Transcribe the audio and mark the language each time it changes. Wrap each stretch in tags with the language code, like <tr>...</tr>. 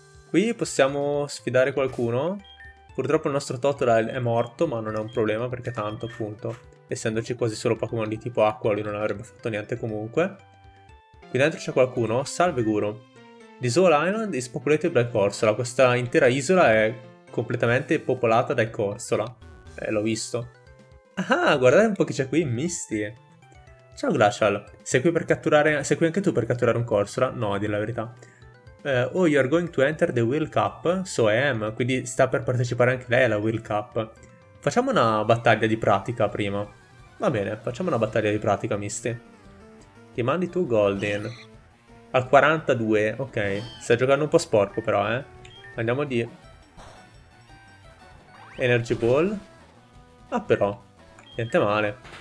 <it>Qui possiamo sfidare qualcuno. Purtroppo il nostro Totodile è morto, ma non è un problema perché tanto, appunto, essendoci quasi solo Pokémon di tipo acqua, lui non avrebbe fatto niente comunque. Qui dentro c'è qualcuno. Salve Guru.</it> <en>This whole island is populated by Corsola.</en> <it>Questa intera isola è completamente popolata dai Corsola. L'ho visto. Ah, guardate un po' chi c'è qui, Misty. Ciao Glacial. Sei qui per catturare. Sei qui anche tu per catturare un Corsola? No, a dire la verità.</it> <en>Oh, you are going to enter the World Cup? So I am.</en> <it>Quindi sta per partecipare anche lei alla World Cup. Facciamo una battaglia di pratica prima. Va bene, facciamo una battaglia di pratica, Misty. Ti mandi tu, Golden. Al 42, ok. Stai giocando un po' sporco, però, eh. Andiamo di Energy Ball. Ah, però. Niente male.</it>